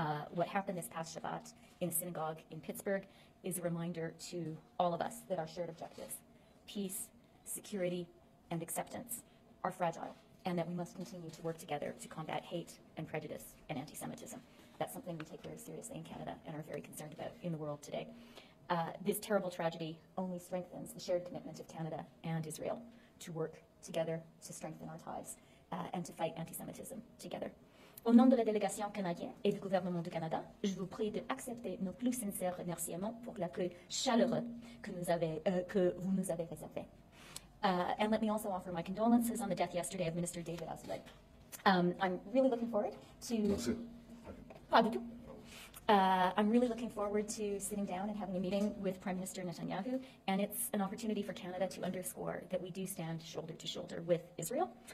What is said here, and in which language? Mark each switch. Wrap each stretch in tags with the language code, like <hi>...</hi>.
<en>What happened this past Shabbat in a synagogue in Pittsburgh is a reminder to all of us that our shared objectives, peace, security, and acceptance, are fragile, and that we must continue to work together to combat hate and prejudice and anti-Semitism. That's something we take very seriously in Canada and are very concerned about in the world today. This terrible tragedy only strengthens the shared commitment of Canada and Israel to work together to strengthen our ties and to fight anti-Semitism together.</en> <fr>Au nom de la délégation canadienne et du gouvernement du Canada, je vous prie d'accepter nos plus sincères remerciements pour l'accueil chaleureux que vous nous avez réservé.</fr> <en>And let me also offer my condolences on the death yesterday of Minister David Osled. I'm really looking forward to...</en> <fr>Merci. Pas du tout.</fr> <en>I'm really looking forward to sitting down and having a meeting with Prime Minister Netanyahu, and it's an opportunity for Canada to underscore that we do stand shoulder to shoulder with Israel.</en>